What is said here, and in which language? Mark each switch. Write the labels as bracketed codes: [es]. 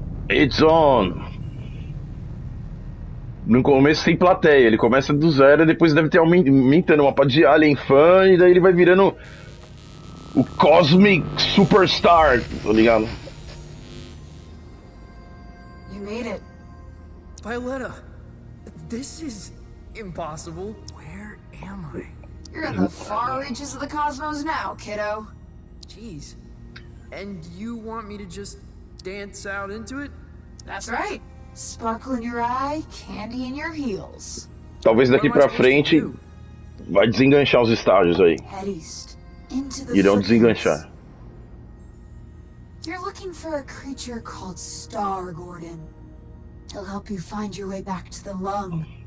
[en] It's on. [pt] No começo tem plateia, ele começa do zero e depois deve ter aumentando uma parte de alien fã e daí ele vai virando o Cosmic Superstar, tá ligado? [en] You made it. Violetta, this is impossible. Where am I? You're in the far reaches of the cosmos now, kiddo. Jeez. And you want me to just dance out into it? That's right. Sparkle in your eye, candy in your heels. [pt] Talvez daqui pra frente vai desenganchar os estágios aí. [en] Head east, into the [pt] irão desenganchar. [en] You're looking for a creature called Star Gordon. He'll help you find your way back to the lung.